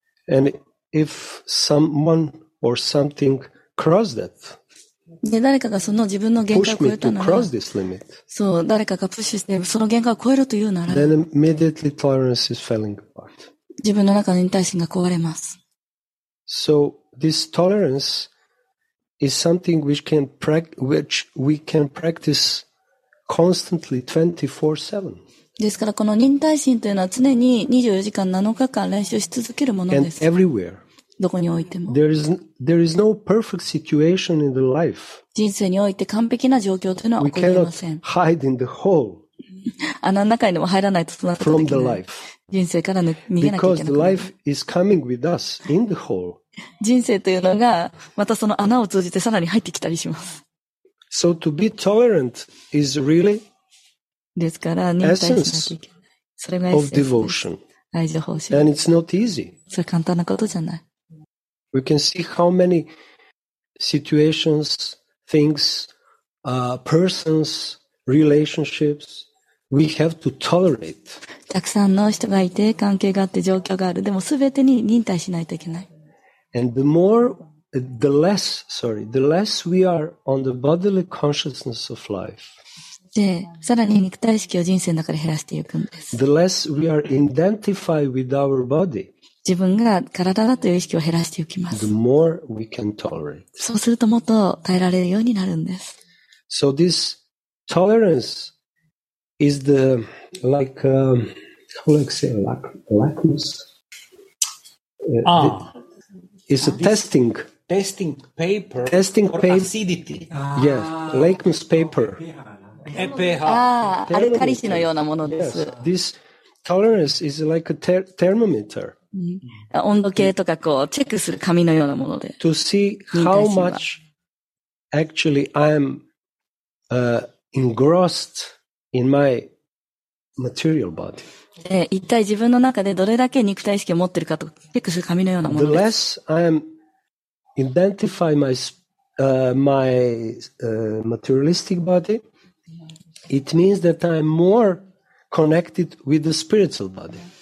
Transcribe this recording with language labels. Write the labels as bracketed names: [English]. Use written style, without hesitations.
[English] And if someone or something crosses that, [Japanese] で誰かがその自分の限界を超えたなら [English] cross this limit. [Japanese] そう誰かがプッシュしてその限界を超えるというなら [English] Then immediately tolerance is falling apart. [Japanese] 自分の中の忍耐心が壊れます [English] So this tolerance is something which we can practice constantly 24/7. [Japanese] ですからこの忍耐心というのは常に24時間7日間練習し続けるものです [English] And everywhere [Japanese] どこにおいても。 [English] There is no perfect situation in the life. [Japanese] 人生において完璧な状況というのは起こりません。 [English] We cannot hide in the hole. [Japanese] 穴の中にでも入らないとそんなことできない。人生から逃げなきゃいけない。 [English] Because the life is coming with us in the hole. [Japanese] 人生というのがまたその穴を通じてさらに入ってきたりします。 [English] So to be tolerant is really [Japanese] ですから忍耐しなきゃいけない。それが [English] of devotion. [Japanese] 愛情奉仕。 [English] And it's not easy. [Japanese] それ簡単なことじゃない。 [English] We can see how many situations, things, persons, relationships we have to tolerate. [Japanese] たくさんの人がいて、関係があって、状況がある。でも、すべてに忍耐しないといけない。 [English] And the less we are on the bodily consciousness of life. [Japanese] で、さらに肉体意識を人生の中で減らしていくんです。 [English] The less we are identified with our body. [Japanese] 自分が体だという意識を減らしていきます。 [English] The more we can tolerate. [Japanese] そうするともっと耐えられるようになるんです。 [English] So this tolerance is the like how do I say lacmus? It's a testing paper. Testing paper. Acidity. Yes, lacmus paper. pH. [Japanese] アルカリ性のようなものです。 [English] Yes. This tolerance is like a thermometer. [Japanese] 温度計とかこうチェックする紙のようなもので。 [English] To see how much actually I am engrossed in my material body. The less I am identify my materialistic body, it means that I am more connected with the spiritual body.